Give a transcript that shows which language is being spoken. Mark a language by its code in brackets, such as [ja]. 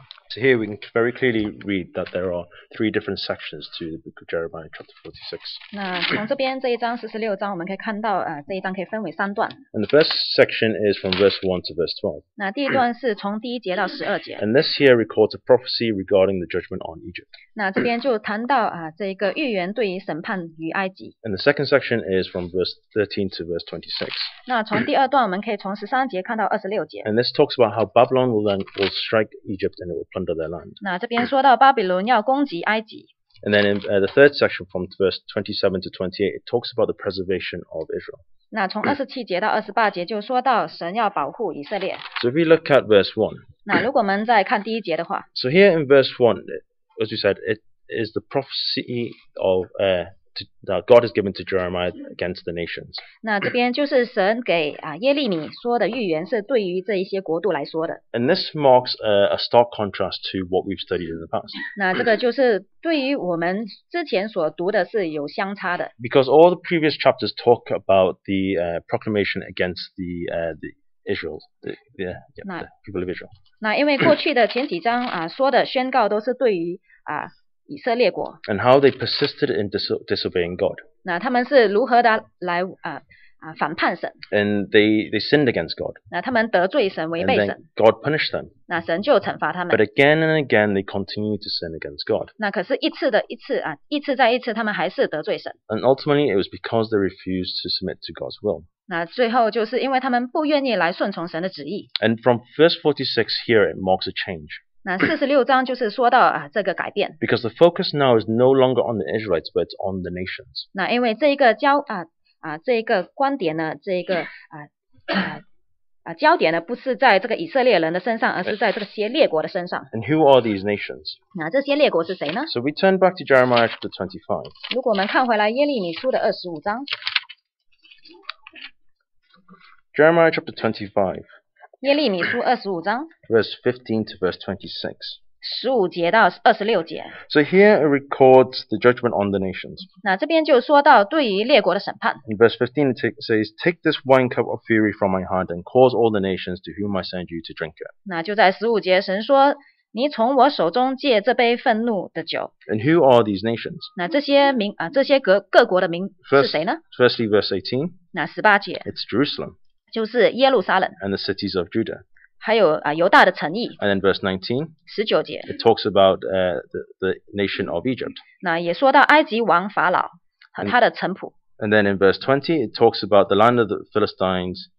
[en] So here we can very clearly read that there are three different sections to the book of Jeremiah chapter 46. [zh] 那从这边这一章16章我们可以看到这一章可以分为三段。 [en] And the first section is from verse 1 to verse 12. [zh] 那第一段是从第一节到12节。 [en] And this here records a prophecy regarding the judgment on Egypt. [zh] 那这边就谈到这一个预言对于审判于埃及。 [en] And the second section is from verse 13 to verse 26. [zh] 那从第二段我们可以从13节看到26节。 [en] And this talks about how Babylon will then will strike Egypt and it will plunder their land. [zh] 那这边说到巴比伦要攻击埃及。 [en] And then in the third section from verse 27 to 28, it talks about the preservation of Israel. [zh] 那从27节到28节就说到神要保护以色列。 [en] So if we look at verse 1. [zh] 那如果我们再看第一节的话。 [en] So here in verse 1, as we said, it is the prophecy of that God has given to Jeremiah against the nations. [zh] 那这边就是神给耶利米说的预言，是对于这一些国度来说的。 [en] And this marks a stark contrast to what we've studied in the past. [zh] 那这个就是对于我们之前所读的是有相差的。 [en] Because all the previous chapters talk about the proclamation against the Israel, the people of Israel. [zh] 那因为过去的前几章说的宣告都是对于以色列国。 [en] And how they persisted in disobeying God. [zh] 那他们是如何的来反叛神。 [en] And they sinned against God. [zh] 那他们得罪神，违背神。 [en] And then God punished them. [zh] 那神就惩罚他们。 [en] But again and again they continued to sin against God. [zh] 那可是一次的一次一次再一次他们还是得罪神。 [en] And ultimately it was because they refused to submit to God's will. [zh] 那最后就是因为他们不愿意来顺从神的旨意。 [en] And from verse 46 here it marks a change. [zh] 那四十六章就是说到这个改变。 [en] Because the focus now is no longer on the Israelites, but on the nations. [zh] 那因为这一个焦这一个观点呢，这一个焦点呢，不是在这个以色列人的身上，而是在这些列国的身上。 [en] And who are these nations? [zh] 那这些列国是谁呢 [en] ？So we turn back to Jeremiah chapter 25. [zh] 如果我们看回来耶利米书的二十五章 [en] ，Jeremiah chapter 25. [zh] 耶利米书二十五章 [en] ，verse 15 to verse 26， [zh] 十五节到二十六节。 [en] So here it records the judgment on the nations. [zh] 那这边就说到对于列国的审判。 [en] In verse 15 it says, "Take this wine cup of fury from my hand and cause all the nations to whom I send you to drink it." [zh] 那就在十五节，神说，你从我手中借这杯愤怒的酒。 [en] And who are these nations? [zh] 那这些民这些各国的民是谁呢 [en] ？Firstly, verse 18. [zh] 那十八节。 [en] It's Jerusalem. [zh] 就是耶路撒冷 [en] and the cities of Judah, [zh] 还有犹大的城邑 [en] and then verse 19, [zh] 十九节 [en] it talks about the nation of Egypt, [zh] 那也说到埃及王法老和他的臣仆 [en] and then in verse 20, it talks about the land of the Philistines,